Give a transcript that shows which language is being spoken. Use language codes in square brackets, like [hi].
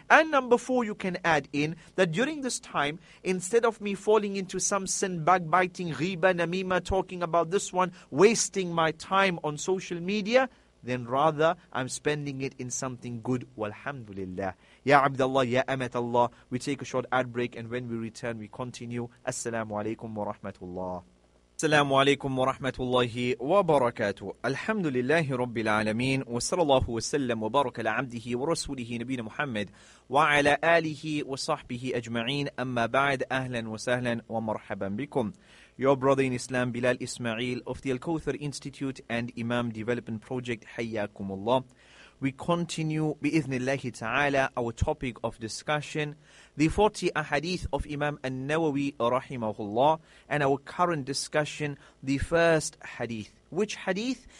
[en] And number four, you can add in that during this time, instead of me falling into some sin, backbiting, ghiba, namima, talking about this one, wasting my time on social media, then rather I'm spending it in something good. Walhamdulillah. Ya Abdullah, Ya Amat Allah. We take a short ad break, and when we return, we continue. Assalamu alaikum wa rahmatullah. [ar] السلام عليكم ورحمة الله وبركاته. الحمد لله رب العالمين، وصلى الله وسلم وبارك على عبده ورسوله نبينا محمد وعلى آله وصحبه أجمعين. أما بعد، أهلا وسهلا ومرحبا بكم. [en] Your brother in Islam, Bilal Ismail of the Al-Kawthar Institute and Imam Development Project, [ar] حياكم الله. [en] We continue [ar] بإذن الله تعالى [en] our topic of discussion, the 40 ahadith of Imam An-Nawawi rahimahullah, and our current discussion, the first hadith. Which hadith?